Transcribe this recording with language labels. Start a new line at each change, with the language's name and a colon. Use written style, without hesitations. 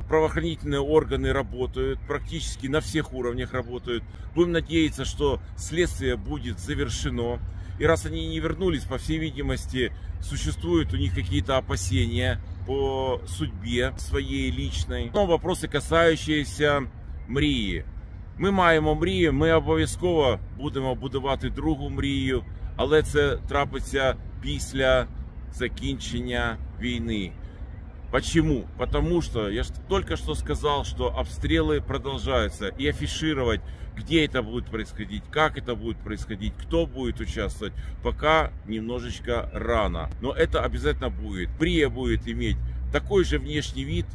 Russian: Правоохранительные органы работают, практически на всех уровнях работают. Будем надеяться, что следствие будет завершено. И раз они не вернулись, по всей видимости, существуют у них какие-то опасения по судьбе своей личной. Но вопросы, касающиеся МРИИ.
Ukrainian: Мы маємо МРІЇ, ми обов'язково будемо будувати другу МРІЇ, але це трапиться після закінчення війни.
Russian: Почему? Потому что я только что сказал, что обстрелы продолжаются. И афишировать, где это будет происходить, как это будет происходить, кто будет участвовать, пока немножечко рано. Но это обязательно будет. МРІЇ будет иметь такой же внешний вид.